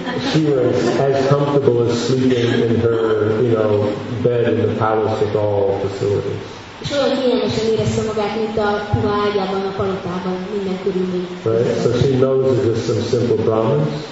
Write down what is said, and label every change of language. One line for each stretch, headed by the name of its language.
English: She was as comfortable as sleeping in her, you know, bed in the palace with all facilities.
Hungarian: És olyan kényelmesen érezte magát, mint a puha ágyában, a palotában, minden körülmény.
English: Right, so she knows it's just some simple Brahmins.